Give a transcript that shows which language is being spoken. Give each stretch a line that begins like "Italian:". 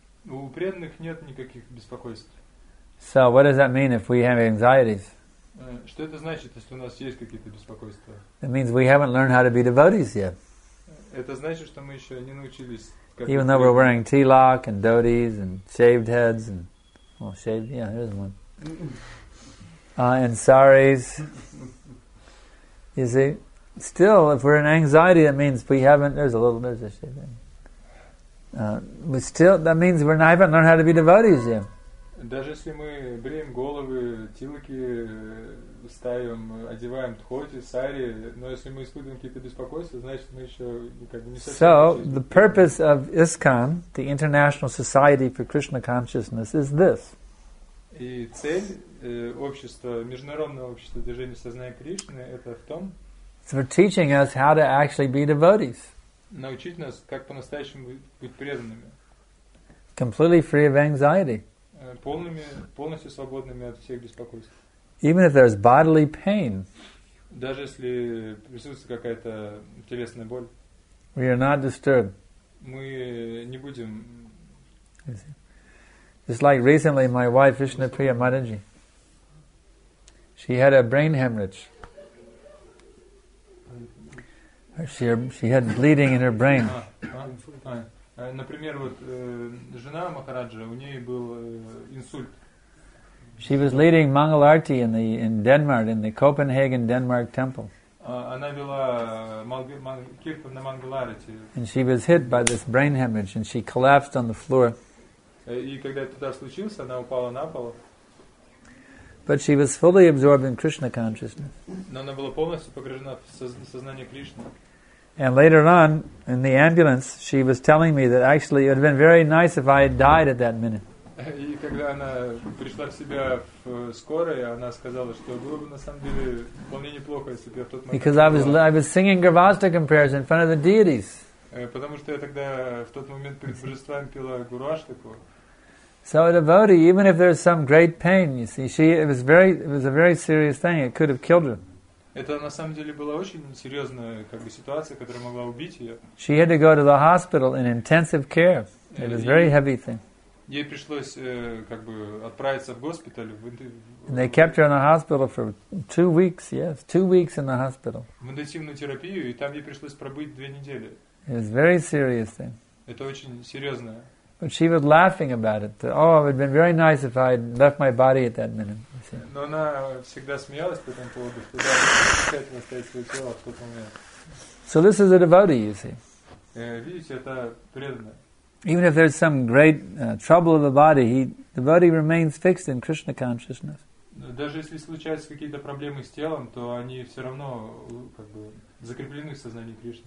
Russian: У преданных нет никаких беспокойств.
English: So, what does that mean if we have anxieties?
Russian: Что это значит, если у нас есть какие-то беспокойства?
English: It means we haven't learned how to be devotees yet.
Russian: Это значит, что мы еще не научились.
English: Even though we're wearing tilak and dhotis and shaved heads and, well, shaved, yeah, here's one. And saris. You see, still, if we're in anxiety, that means we haven't, there's a shave there. But still, that means we haven't learned how to be devotees yet.
Russian: Даже если мы бреем головы, тилаки ставим, одеваем тхоти, сари, но если мы испытываем какие-то беспокойства, значит мы еще как бы не совсем.
English: So the purpose of ISKCON, the International Society for Krishna Consciousness, is this.
Russian: И цель общества, международного общества движения сознания Кришны, это в том.
English: It's for teaching us how to actually be devotees.
Russian: Научить нас, как по-настоящему быть преданными.
English: Completely free of anxiety.
Russian: Полностью свободными от всех беспокойств.
English: Even if there's bodily pain,
Russian: даже если присутствует какая-то телесная боль,
English: we are not disturbed.
Russian: Мы не будем.
English: Just like recently, my wife Vishnupriya Mataji, she had a brain hemorrhage. She had bleeding in her brain.
Russian: Например, вот жена Махараджа, у нее был инсульт.
English: She was leading Mangal Arati in Denmark, in the Copenhagen Denmark Temple.
Russian: Она вела киртан на Мангал Арати.
English: And she was hit by this brain hemorrhage, and she collapsed on the floor.
Russian: И когда это туда случилось, она упала на пол.
English: But she was fully absorbed in Krishna consciousness.
Russian: Но она была полностью погружена в сознание Кришны.
English: And later on, in the ambulance, she was telling me that actually it would have been very nice if I had died at that minute.
Russian: И когда она пришла в себя в скорой, она сказала, что было бы на самом деле вполне неплохо, если бы я в тот момент.
English: Because I was singing Gurvastakam prayers in front of the deities.
Russian: Потому что я тогда в тот момент перед божествами пела Гурваштаку.
English: So a devotee, even if there's some great pain, you see, it was a very serious thing. It could have killed her.
Russian: Это на самом деле была очень серьезная как бы ситуация, которая могла убить ее.
English: She had to go to the hospital in intensive care. It was a very heavy thing.
Russian: Ей пришлось как бы отправиться в госпиталь.
English: And they kept her in the hospital for 2 weeks. Yes, 2 weeks in the hospital.
Russian: В интенсивную терапию, и там ей пришлось пробыть 2 недели.
English: It was very serious thing.
Russian: Это очень серьезное.
English: But she was laughing about it. Oh, it would have been very nice if I had left my body at that minute.
Russian: Но она всегда смеялась по этому поводу, что да, хотела оставить свое тело в тот момент.
English: So this is a devotee, you see.
Russian: Видите, это преданное.
English: Even if there's some great trouble of the body, the body remains fixed in Krishna consciousness.
Russian: Даже если случаются какие-то проблемы с телом, то они все равно как бы закреплены в сознании Кришны.